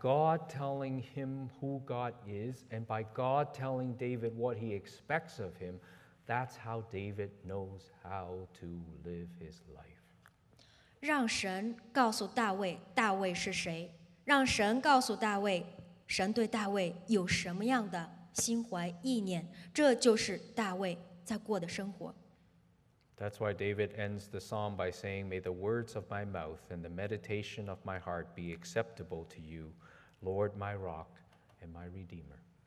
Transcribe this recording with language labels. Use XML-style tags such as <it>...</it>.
<en>God telling him who God is, and by God telling David what he expects of him, that's how David knows how to live his life.</en> <zh>让神告诉大卫，大卫是谁？让神告诉大卫，神对大卫有什么样的？心怀意念，这就是大卫在过的生活。</zh> <en>That's why David ends the psalm by saying, "May the words of my mouth and the meditation of my heart be acceptable to you, Lord, my rock and my redeemer."</en>